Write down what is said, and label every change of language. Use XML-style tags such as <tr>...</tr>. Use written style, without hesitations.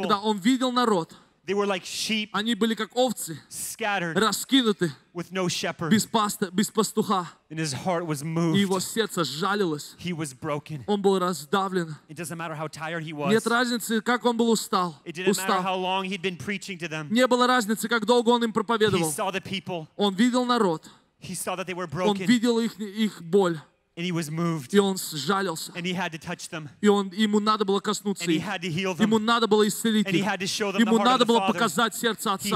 <ru>когда Он видел народ,</ru> <en>they were like sheep,</en> <ru>они были как овцы,</ru> <en>scattered,</en> <ru>раскинуты,</ru> <en>with no shepherd,</en> <ru>без пастуха.</ru> <en>And His heart was moved.</en> <ru>И его сердце жалилось.</ru> <en>He was broken.</en> <ru>Он был раздавлен.</ru> <en>It doesn't matter how tired He was.</en> <ru>Нет разницы, как он был устал.</ru> <en>It didn't matter how long He'd been preaching to them.</en> <ru>Не было разницы, как долго он им проповедовал.</ru> <en>He saw the people.</en> <ru>Он видел народ.</ru> <en>He saw that they were broken.</en> <ru>Он видел их боль.</ru> <en>And He was moved.</en> <ru>И он сжалился.</ru> <en>And He had to touch them.</en> <ru>И он ему надо было коснуться.</ru> <en>And He had to heal them.</en> <ru>Ему надо было исцелить их.</ru> <en>And He had to show them the</en> <ru>ему</ru> <en>heart</en> <ru>надо</ru> <en>of</en> <ru>было</ru> <en>the</en> <ru>показать сердце отца.</ru>